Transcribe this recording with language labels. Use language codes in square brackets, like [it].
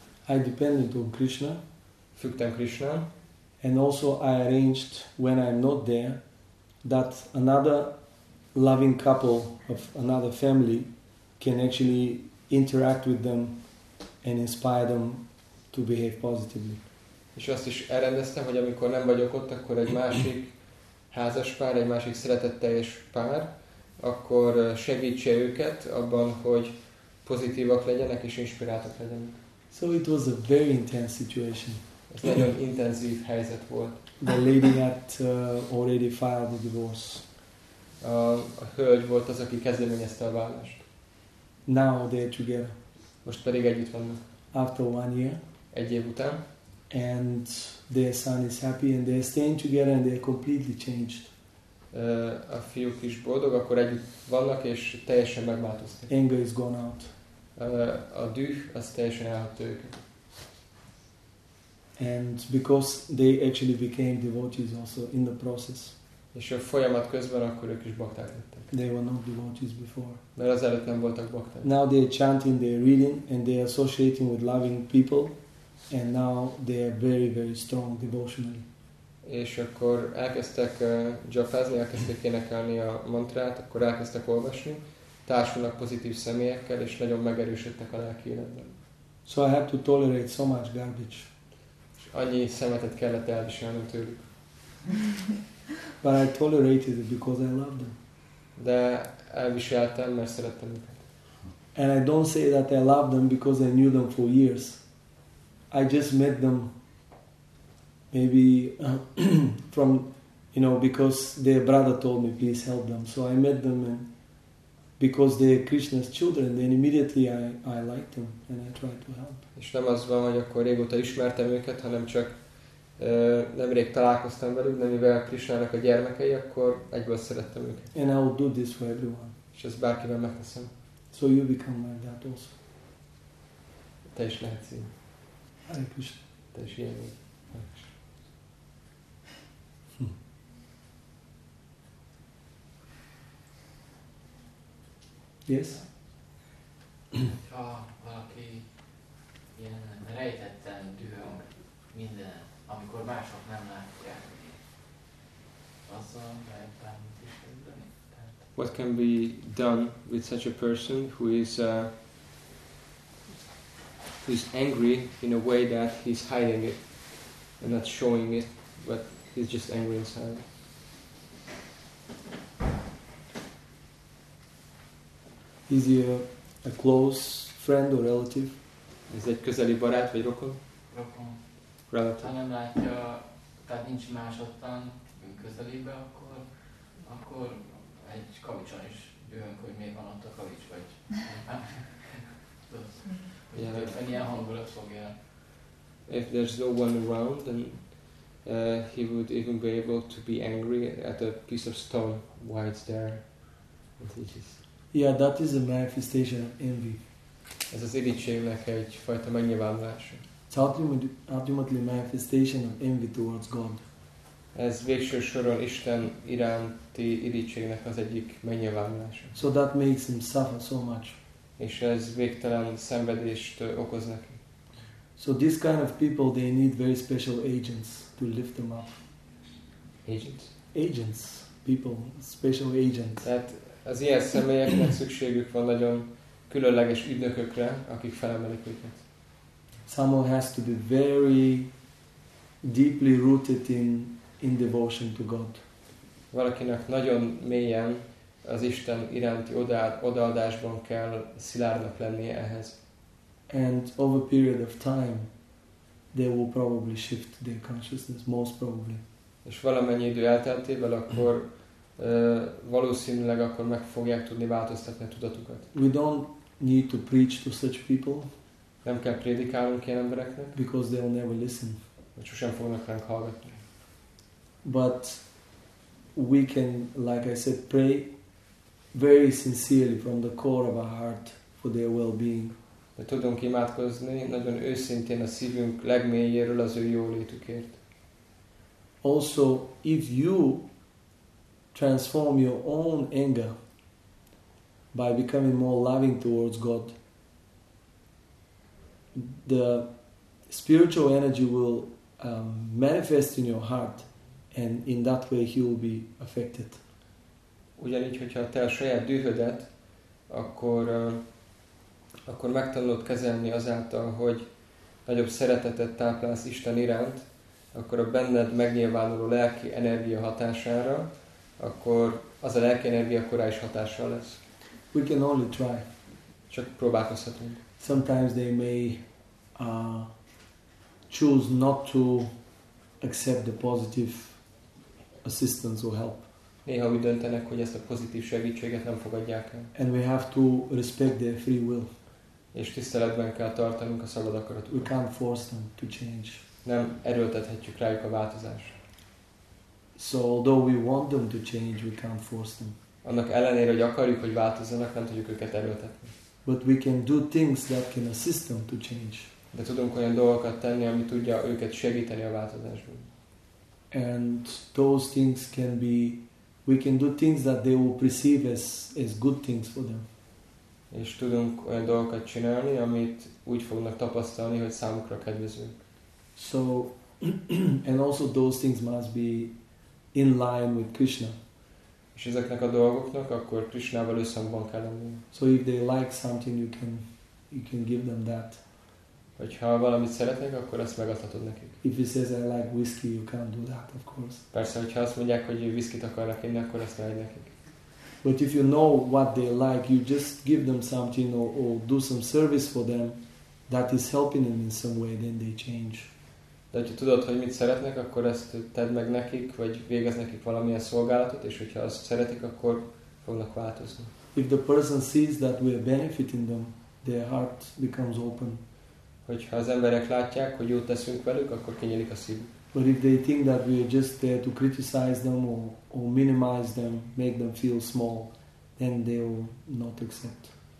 [en] I depended on Krishna. [hu] Függtem Krishnán. [en] And also I arranged, when I'm not there, that another loving couple of another family can actually interact with them and inspire them to behave positively. [hu] És azt is elrendeztem, hogy amikor nem vagyok ott, akkor egy másik házas pár, egy másik szeretetteljes pár, akkor segítse őket abban, hogy pozitívak legyenek és inspiráltak legyenek. [en] So it was a very intense situation. [hu] Ez nagyon intenzív helyzet volt. [en] The lady had already filed the divorce. [hu] A hölgy volt az, aki kezdeményezte a válást. [en] Now they're together. [hu] Most pedig együtt vannak. [en] After one year. [hu] Egy év után. [en] And their son is happy, and they're staying together, and they're completely changed. [hu] A fiúk is boldog, akkor együtt vannak, és teljesen megváltoztak. [en] Anger is gone out. [hu] A düh, az teljesen elhagyta őket. [en] And because they actually became devotees also in the process. [hu] És a folyamat közben akkor ők is bakták lettek. [en] They were not devotees before. [hu] Mert azelőtt nem voltak bakták. [en] Now they're chanting, they're reading, and they're associating with loving people. And now they are very, very strong devotionally. [hu] És akkor elkezdtek japázni, elkezdték énekelni a mantrát, akkor elkezdtek olvasni, társulnak pozitív személyekkel, és nagyon megerősödtek a lelki életben. [en] So I have to tolerate so much garbage. [hu] És annyi szemetet kellett elviselni tőlük. [en] But I tolerated it because I love them. [hu] De elviseltem, mert szerettem őket. [en] And I don't say that I love them because I knew them for years. I just met them maybe from, you know, because their brother told me, please help them. So I met them and because they're Krishna's children, then immediately I liked them and I tried to help. [hu] És nem az van, hogy akkor régóta ismertem őket, hanem csak nemrég találkoztam velük, de mivel Krishnának a gyermekei, akkor egyből szerettem őket. [en] And I will do this for everyone. [hu] És ezt bárkivel megteszem. [en] So you become like that also. [hu] Te is lehetsz így. [sa] Hare Krishna. [hu] Te is ilyen így. [en] Yes. [hu] Ha valaki ilyen rejtetten dühöng minden, amikor mások nem látják, azzal lehet bármit is kezdeni. [en] What can be done with such a person who is angry in a way that he's hiding it and not showing it, but he's just angry inside? Is he a close friend or relative? [hu] Is egy közeli barát vagy rokon? Rokon. [en] Relative. [hu] Ha nem látja, tehát nincs más ottan közelébe, akkor egy kavicson is dühöng, hogy miért van ott a kavics, vagy egy ilyen hangulat fogja. [en] If there's no one around, then he would even be able to be angry at a piece of stone while it's there. Yeah, that is a manifestation of envy. [hu] Ez az irigységnek egy fajta megnyilvánulása. [en] It's ultimately manifestation of envy towards God. [hu] Ez végső soron Isten iránti irigységnek az egyik megnyilvánulása. [en] So that makes him suffer so much. [hu] És ez végtelen szenvedést okoz neki. [en] So this kind of people, they need very special agents to lift them up. Agents? Agents. People. Special agents. [hu] Tehát az ilyen személyeknek szükségük van nagyon különleges ügynökökre, akik felemelik őket. [en] Someone has to be very deeply rooted in devotion to God. [hu] Valakinek nagyon mélyen az Isten iránti odaadásban kell szilárdnak lennie ehhez. [en] And over a period of time, they will probably shift their consciousness, most probably. [hu] És valamennyi idő elteltével, akkor valószínűleg akkor meg fogják tudni változtatni a tudatukat. [en] We don't need to preach to such people. [hu] Nem kell prédikálnunk ilyen embereknek. [en] Because they'll never listen. [hu] Mert sosem fognak ránk hallgatni. [en] But we can, like I said, pray very sincerely from the core of our heart for their well-being. [hu] De tudunk imádkozni nagyon őszintén a szívünk legmélyéről az ő jólétükért. [en] Also, if you transform your own anger by becoming more loving towards God, the spiritual energy will manifest in your heart, and in that way he will be affected. [hu] Ugyanígy, hogyha te a saját dühödet, akkor megtanulod kezelni azáltal, hogy nagyobb szeretetet táplálsz Isten iránt, akkor a benned megnyilvánuló lelki energia hatására, akkor az a lelki energia korá is hatással lesz. [en] We can only try. [hu] Csak próbálkozhatunk. [en] Sometimes they may choose not to accept the positive assistance or help. [hu] Néha úgy döntenek, hogy ezt a pozitív segítséget nem fogadják el. [en] And we have to respect their free will. [hu] És tiszteletben kell tartanunk a szabad akaratukat. [en] We can't force them to change. [hu] Nem erőltethetjük rájuk a változást. [en] So although we want them to change, we can't force them. [hu] Annak ellenére, hogy akarjuk, hogy változzanak, nem tudjuk őket erőltetni. [en] But we can do things that can assist them to change. [hu] De tudunk olyan dolgokat tenni, ami tudja őket segíteni a változásban. [en] And those things can be, we can do things that they will perceive as good things for them. [hu] És tudunk olyan dolgokat csinálni, amit úgy fognak tapasztalni, hogy számukra kedvező. [en] So and also those things must be in line with Krishna. [hu] És ezeknek a dolgoknak akkor Krishnával összhangban kell lenni. [en] So if they like something, you can give them that. [hu] Hogyha valamit szeretnék, akkor ezt megadhatod nekik. [en] If he says I like whiskey, you can't do that, of course. [hu] Persze, hogyha azt mondják, hogy whiskyt akarnak inni, akkor ezt ne adj nekik. [en] But if you know what they like, you just give them something or do some service for them that is helping them in some way, then they change. [hu] De hogyha tudod, hogy mit szeretnek, akkor ezt tedd meg nekik, vagy végez nekik valamilyen szolgálatot, és hogyha azt szeretik, akkor fognak változni. [en] If the person sees that we are benefiting them, their heart becomes open. [hu] Hogyha az emberek látják, hogy jót teszünk velük, akkor kinyílik a szív. [en] But if they think that we are just there to criticize them or minimize them, make them feel small, then they will not accept.